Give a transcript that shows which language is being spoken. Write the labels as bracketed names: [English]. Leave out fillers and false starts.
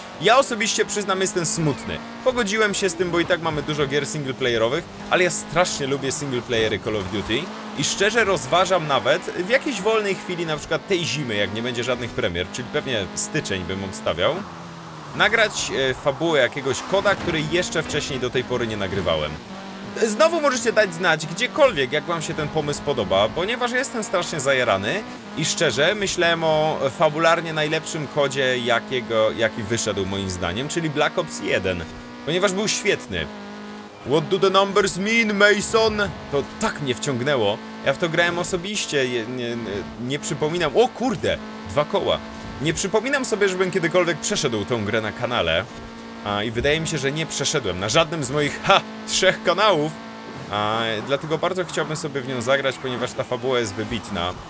[Polish] Ja osobiście przyznam, jestem smutny. Pogodziłem się z tym, bo i tak mamy dużo gier single playerowych, ale ja strasznie lubię single playery Call of Duty i szczerze rozważam nawet w jakiejś wolnej chwili, na przykład tej zimy, jak nie będzie żadnych premier, czyli pewnie styczeń bym obstawiał, nagrać fabułę jakiegoś koda, który jeszcze wcześniej do tej pory nie nagrywałem. Znowu możecie dać znać gdziekolwiek, jak wam się ten pomysł podoba, ponieważ jestem strasznie zajarany i szczerze myślałem o fabularnie najlepszym kodzie, jaki wyszedł moim zdaniem, czyli Black Ops 1, ponieważ był świetny. [English] What do the numbers mean, Mason? [Polish] To tak mnie wciągnęło. Ja w to grałem osobiście, nie przypominam... O kurde, dwa koła. Nie przypominam sobie, żebym kiedykolwiek przeszedł tą grę na kanale. I wydaje mi się, że nie przeszedłem na żadnym z moich, trzech kanałów. Dlatego bardzo chciałbym sobie w nią zagrać, ponieważ ta fabuła jest wybitna.